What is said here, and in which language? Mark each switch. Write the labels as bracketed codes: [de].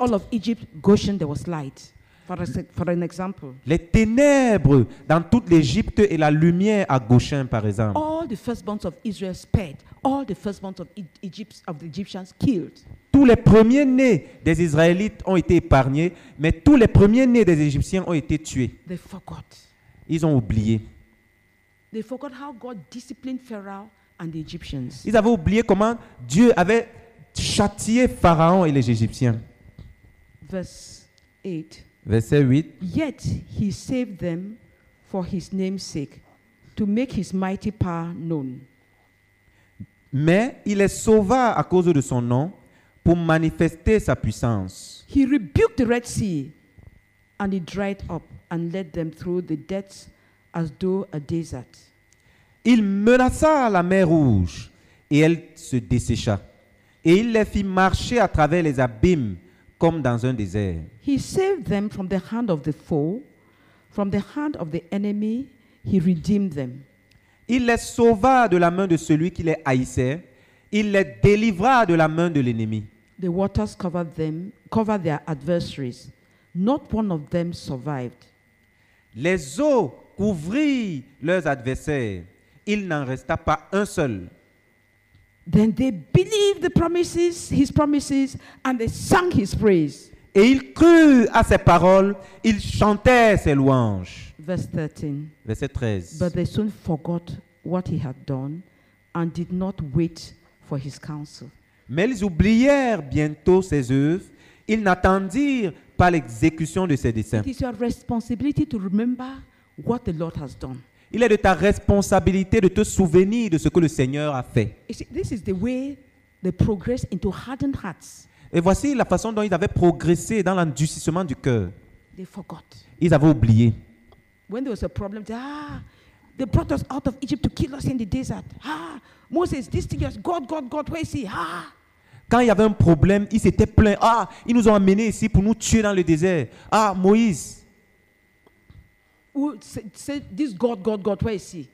[en] In all of Egypt, Goshen, there was light. For an example. [fr] Les ténèbres dans toute l'Égypte et la lumière à Goshen, par exemple. [en] All the firstborns of Israel spared. All the firstborns of the Egyptians killed. [fr] Tous les premiers nés des Israélites ont été épargnés, mais tous les premiers nés des Égyptiens ont été tués. [en] They forgot. [fr] Ils ont oublié. [en] They forgot how God disciplined Pharaoh and the Egyptians. [fr] Ils avaient oublié comment Dieu avait châtié Pharaon et les Égyptiens. Verset 8. [en] Yet he saved them for his name's sake, to make his mighty power known. [fr] Mais il les sauva à cause de son nom pour manifester sa puissance. [en] He rebuked the Red Sea and it dried up and led them through the depths as though a desert. [fr] Il menaça la mer rouge et elle se dessécha. Et il les fit marcher à travers les abîmes comme dans un désert. [en] He saved them from the hand of the foe, from the hand of the enemy, he redeemed them. [fr] Il les sauva de la main de celui qui les haïssait, il les délivra de la main de l'ennemi. [en] The waters covered them, covered their adversaries. Not one of them survived. [fr] Les eaux couvrirent leurs adversaires, il n'en resta pas un seul. [en] Then they believed the promises, his promises, and they sang his praise. [fr] Et ils crurent à ses paroles, ils chantaient ses louanges. Verset 13. [en] But they soon forgot what he had done and did not wait for his counsel. [fr] Mais ils oublièrent bientôt ses œuvres, ils n'attendirent pas l'exécution de ses desseins. [en] It is your responsibility to remember what the Lord has done. [fr] Il est de ta responsabilité de te souvenir de ce que le Seigneur a fait. [en] This is the way they progress into hardened hearts. [fr] Et voici la façon dont ils avaient progressé dans l'endurcissement du cœur. [en] They forgot. [fr] Ils avaient oublié. [en] When there was a problem, they brought us out of Egypt to kill us in the desert. Ah, Moses, this thing is God, where is he? Ah. [fr] Quand il y avait un problème, ils étaient pleins. Ah, ils nous ont amenés ici pour nous tuer dans le désert. Ah, Moïse. [en] Who said this God, where is he?